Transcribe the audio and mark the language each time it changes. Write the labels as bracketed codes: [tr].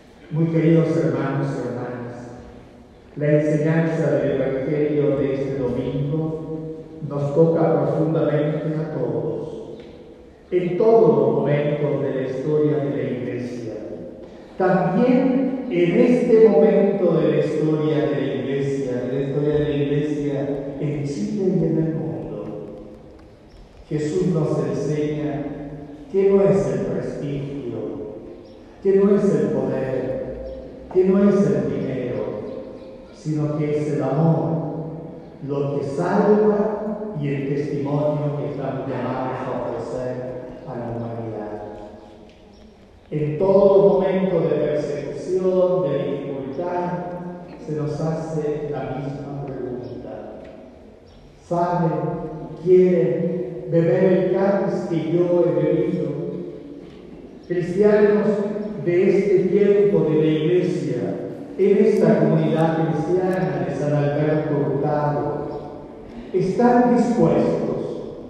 [es] Muy queridos hermanos y hermanas, la enseñanza del Evangelio de este domingo nos toca profundamente a todos, en todos los momentos de la historia de la Iglesia. También en este momento de la historia de la Iglesia, de la historia de la Iglesia en Chile y en el mundo, Jesús nos enseña que no es el prestigio [it] che non è il potere, che non è il [es] dinero, sino [it] che è l'amore, lo che salva e il testimonio che sta chiamato a offrire all'umanità. [es] In todo momento de persecución, de dificultad, se nos hace la misma pregunta. ¿Sabe, quiere beber el cáliz que yo he bebido? Cristianos de este tiempo de la Iglesia, en esta comunidad cristiana de San Alberto Hurtado, ¿están dispuestos?